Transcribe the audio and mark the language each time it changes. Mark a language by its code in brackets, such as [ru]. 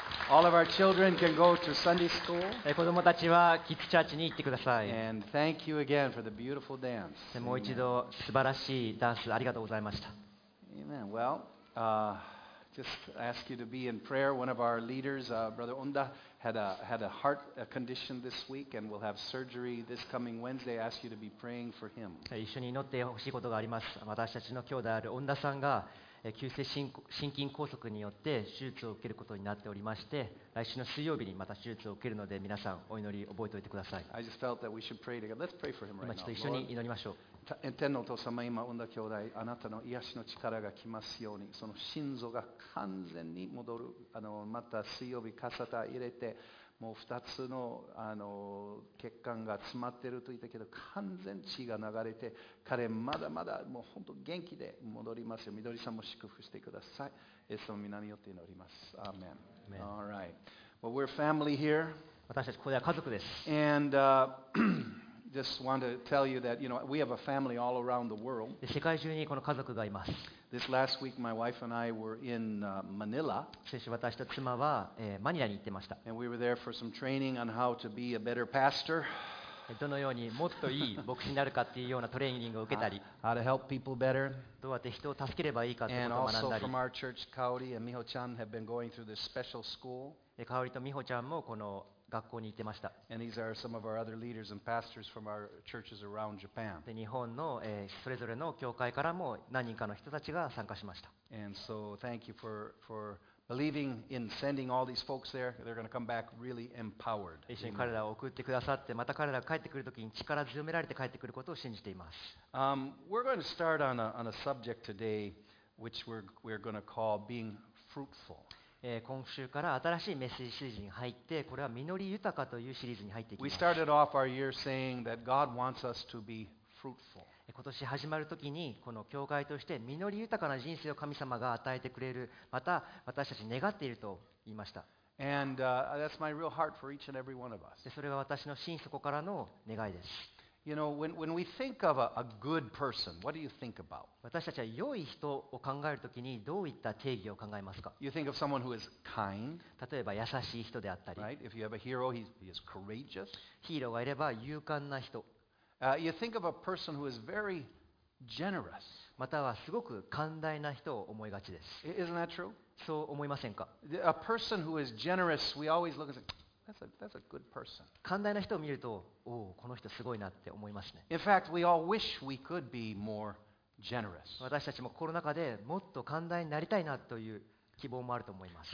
[en] All of our children can go to Sunday school. [ja] 子供たちはキッズチャーチに行ってください。 [en] And thank you again for the beautiful dance. [ja] もう一度素晴らしいダンスありがとうございました。 [en] Amen. Well, just ask you to be in prayer. One of our leaders, Brother Onda, had a heart condition this week and will have surgery this coming Wednesday. Ask you to be praying for him. [ja] 一緒に祈ってほしいことがあります。私たちの兄弟であるオンダさんが急性心筋梗塞によって手術を受けることになっておりまして、来週の水曜日にまた手術を受けるので、皆さんお祈り覚えておいてください。 [en] I just felt that we should pray together. Let's pray for him right now. [ja] 今ちょっと一緒に祈りましょう。天のお父様、今、恩田兄弟、あなたの癒しの力が来ますように、その心臓が完全に戻る、また水曜日、カサタ入れて、もう2つ の血管が詰まっていると言ったけど、完全に血が流れて、彼、まだまだもう本当元気で戻りますよ。緑さんも祝福してください。エスの皆によって祈ります。 [en] アーメン。All right. Well, we're family here. [ja] 私たち、ここでは家族です。 [en] And, just want to tell you that, you know, we have a family all around the world. [ja] 世界中にこの家族がいます。 [en] This last week, my wife and I were in Manila. [ja] 先週私と妻は、マニラに行ってました。 [en] And we were there for some training on how to be a better pastor. [ja] どのようにもっといい牧師になるかっていうようなトレーニングを受けたり。 [en] How to help people better. [ja] どうやって人を助ければいいかということを学んだり。 [en] And also from our church, Kaori and Miho-chan have been going through this special school. [ja] Kaori と Miho-chan もこの学校に行ってました。 [en] And these are some of our other leaders and pastors from our churches around Japan. [ja] で、日本の、それぞれの教会からも何人かの人たちが参加しました。 [en] And so thank you for believing in sending all these folks there. They're going to come back really empowered. [ja] 一緒に彼らを送ってくださって、また彼らが帰ってくるときに力強められて帰ってくることを信じています。 [en] We're going to start on a subject today, which we're going to call being fruitful. [ja] 今週から新しいメッセージシリーズに入って、これは実り豊かというシリーズに入っていきます。 [en] We started off our year saying that God wants us to be fruitful. [ja] 今年始まるときに、この教会として実り豊かな人生を神様が与えてくれる、また私たち願っていると言いました。 [en] And that's my real heart for each and every one of us. [ja] それが私の心底からの願いです。 [en] You know, when we think of a good person, what do you think about? [ja] 私たちは良い人を考えるときにどういった定義を考えますか? [en] You think of someone who is kind. [ja] 例えば優しい人であったり。 [en] Right? If you have a hero, he is courageous. [ja] ヒーローがいれば勇敢な人。 [en] You think of a person who is very generous. [ja] またはすごく寛大な人を思いがちです。 [en] Isn't that true? [ja] そう思いませんか? [en] A person who is generous, we always look and say,That's a good person. [ja] 寛大な人を見ると、おお、この人すごいなって思いますね。 [en] In fact, we all wish we could be more generous. [ja] 私たちも心の中でもっと寛大になりたいなという希望もあると思います。